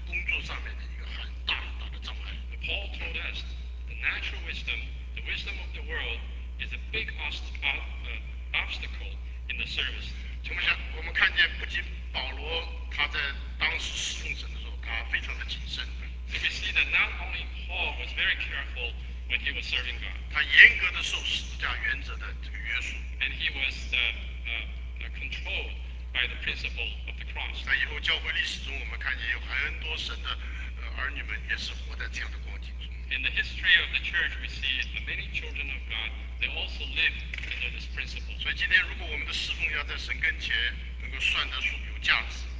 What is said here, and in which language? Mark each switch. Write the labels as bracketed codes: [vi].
[zh] 保罗告诉我们这个天然的智慧，世界的智慧，是今天在主工作上面的一个很大很大的障碍。 [en] Paul told us the natural wisdom, the wisdom of the world, is a big obstacle in the service. [zh] 请问一下，我们看见不仅保罗他在当时侍奉神的。 [en] We see that not only Paul was very careful when he was serving God. [zh] 他严格地受十字架原则的这个约束。 [en] And he was controlled by the principle of the cross. [zh] 那以后教会历史中，我们看见有很多神的儿女们也是活在这样的光景中。 [en] In the history of the church, we see that many children of God they also live under this principle. [zh] 所以今天，如果我们的侍奉要在神跟前能够算得出有价值。